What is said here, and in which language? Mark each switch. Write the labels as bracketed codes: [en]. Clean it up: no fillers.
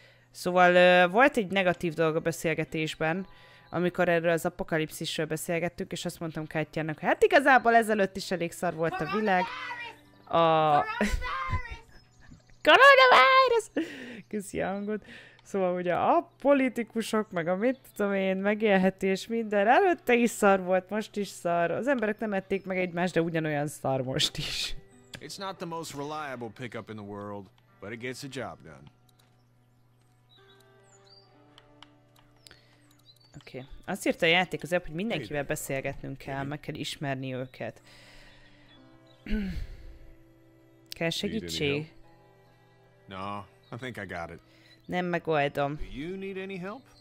[hu] Szóval volt egy negatív dolog a beszélgetésben, amikor erről az apokalipszisről beszélgettünk, és azt mondtam Kátyának, hát igazából ezelőtt is elég szar volt a világ. A... Coronavirus! Köszi a hangot. Szóval ugye a politikusok, meg a mit tudom én, megélhetés, minden. Előtte is szar volt, most is szar. Az emberek nem ették meg egymást, de ugyanolyan szar most is. [en] It's not the most reliable pickup in the world, but it gets the job done. [hu] Oké. Azt írta a játék az hogy mindenkivel beszélgetnünk kell, meg kell ismerni őket. Kell segítség? [en] No, I think I got it. [hu] Nem megoldom. [en] Do you need any help?